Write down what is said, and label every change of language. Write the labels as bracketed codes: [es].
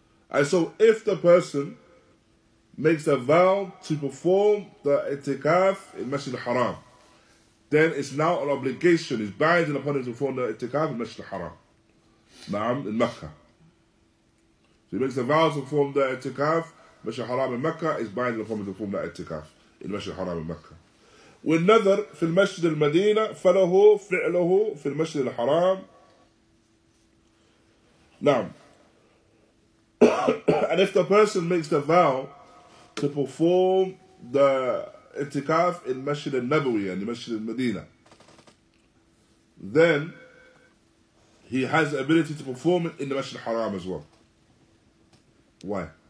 [en] And so if the person makes a vow to perform the itikaf in Masjid al-Haram, then it's now an obligation, it's binding upon him to perform the itikaf in Masjid al-Haram. Na'am, in Mecca. So he makes a vow to perform the itikaf in Masjid al-Haram in Mecca, it's binding upon him to perform the itikaf in Masjid al-Haram in Mecca. [ar] والنذر في المسجد المدينة فله فعله في المسجد الحرام. نعم. [en] And if the person makes the vow to perform the itikaf in Masjid al-Nabawi, in the Masjid al-Madina, then he has the ability to perform it in the Masjid al-Haram as well. Why?